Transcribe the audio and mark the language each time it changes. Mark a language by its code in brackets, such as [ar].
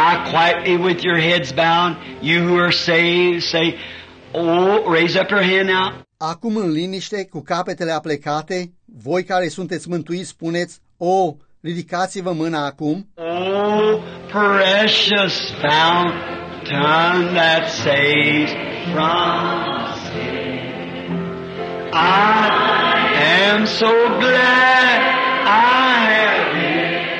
[en] Quietly with your heads bound, you who are saved, say, oh, raise up your hand now. [ro] Acum în liniște, cu capetele aplecate, voi care sunteți mântuiți, spuneți, oh, ridicați-vă mâna acum. [en] Oh, precious fountain that saves from sin. I am so glad I have been.